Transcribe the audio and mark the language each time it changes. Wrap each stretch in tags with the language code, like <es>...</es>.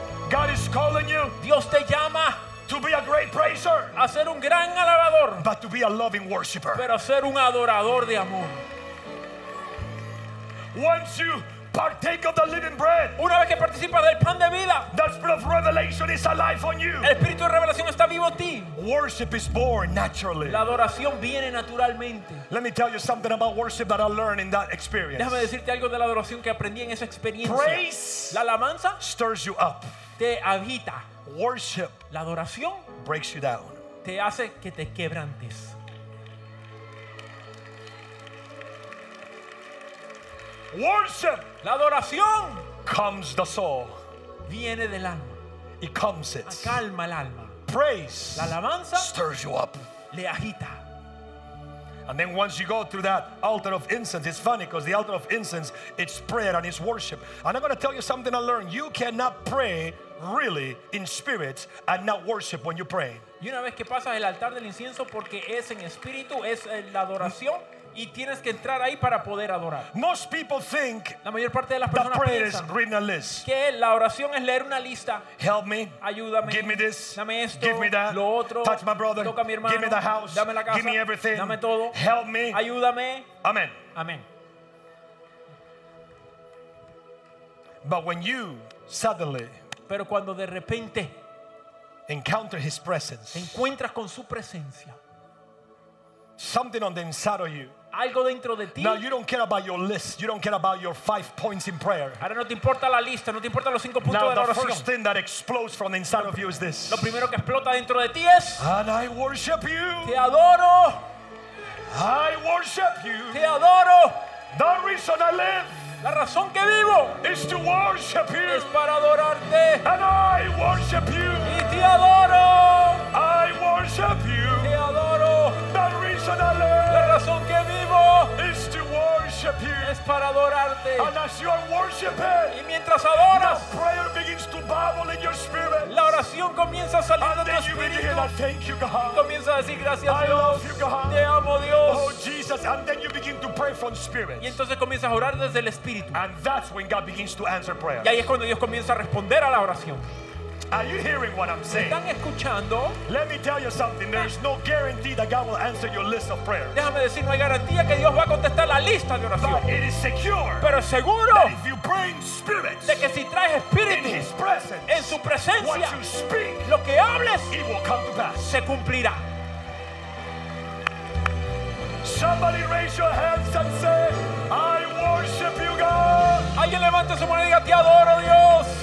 <en>God is calling you.</en> <es>Dios te llama</es> <en>to be a great praiser.</en> <es>A ser un gran alabador.</es> <en>But to be a loving worshiper.</en> <es>Pero a ser un adorador de amor.</es> <en>Once you partake of the living bread.</en> <es>Una vez que participas del pan de vida.</es> <en>The spirit of revelation is alive on you.</en> <es>El espíritu de revelación está vivo en ti.</es> <en>Worship is born naturally.</en> <es>La adoración viene naturalmente.</es> <en>Let me tell you something about worship that I learned in that experience.</en> <es>Déjame decirte algo de la adoración que aprendí en esa experiencia.</es> <en>Praise.</en> <es>La alabanza</es> <en>stirs you up.</en> <es>Te agita.</es> <en>Worship,</en> <es>la adoración,</es> <en>breaks you down.</en> <es>Te hace que te quebrantes.</es> <en>Worship.</en> <es>La adoración.</es> <en>Comes the soul.</en> <es>Viene del alma.</es> <en>It calms it.</en> <es>Calma el alma.</es> <en>Praise.</en> <es>La alabanza.</es> <en>Stirs you up.</en> <es>Le agita.</es> <en>And then once you go through that altar of incense, it's funny because the altar of incense, it's prayer and it's worship. And I'm going to tell you something I learned. You cannot pray really in spirit and not worship when you pray.</en> <es>Y una vez que pasas el altar del incienso, porque es en espíritu, es la adoración, y tienes que entrar ahí para poder adorar.</es> <en>Most people think</en> <es>la mayor parte de las personas piensan que la oración es leer una lista.</es> <en>Help me,</en> <es>ayúdame,</es> <en>give me this,</en> <es>dame esto,</es> <en>give me that,</en> <es>lo otro,</es> <en>touch my brother,</en> <es>toca a mi hermano,</es> <en>give me the house,</en> <es>dame la casa,</es> <en>give me everything,</en> <es>dame todo,</es> <en>help me,</en> <es>ayúdame.</es> <en>Amen.</en> <es>Amen.</es> <en>But when you suddenly,</en> <es>pero cuando de repente</es> <en>encounter his presence,</en> <es>encuentras con su presencia.</es> <en>Something on the inside of you.</en> <es>Algo dentro de ti.</es> <en>Now you don't care about your list. You don't care about your 5 points in prayer.</en> <es>Ahora no te importa la lista, no te importa los 5 puntos</es> <en>now,</en> <es>de la oración.</es> <en>Now the first thing that explodes from the inside of you is this.</en> <es>Lo primero que explota dentro de ti es.</es> <en>And I worship you.</en> <es>Te adoro.</es> <en>I worship you.</en> <es>Te adoro.</es> <en>The reason I live.</en> <es>La razón que vivo.</es> <en>Is to worship you.</en> <es>Es para adorarte.</es> <en>And I worship you.</en> <es>Y te adoro.</es> <en>I worship you.</en> <es>Te adoro. La razón que vivo</es> <en>is to worship you.</en> <es>Es para adorarte.</es> <en>And as you are worshiping,</en> <es>y mientras adoras,</es> <en>the prayer begins to bubble in your spirit.</en> <es>La oración comienza a salir</es> <en>and</en> <es>de tu espíritu.</es> <en>Begin, thank you, God.</en> <es>Comienza a decir gracias,</es> <en>I</en> <es>Dios.</es> <en>Love you, God.</en> <es>Te amo, Dios.</es> <en>Oh, Jesus. And then you begin to pray from spirit.</en> <es>Y entonces comienzas a orar desde el espíritu.</es> <en>And that's when God begins to answer prayer.</en> <es>Y ahí es cuando Dios comienza a responder a la oración.</es> <en>Are you hearing what I'm saying?</en> <es>¿Están escuchando?</es> <en>Let me tell you something. There is no guarantee that God will answer your list of prayers.</en> <es>Déjame decir, no hay garantía que Dios va a contestar la lista de oración.</es> <en>But it is secure.</en> <es>Pero es seguro.</es> <en>That if you bring spirits,</en> <es>de que si traes espíritu,</es> <en>in His presence,</en> <es>en su presencia,</es> <en>what you speak,</en> <es>lo que hables,</es> <en>it will come to pass.</en> <es>Se cumplirá.</es> <en>Somebody raise your hands and say, I worship you, God.</en> <es>Alguien levante su mano y diga, te adoro, Dios.</es>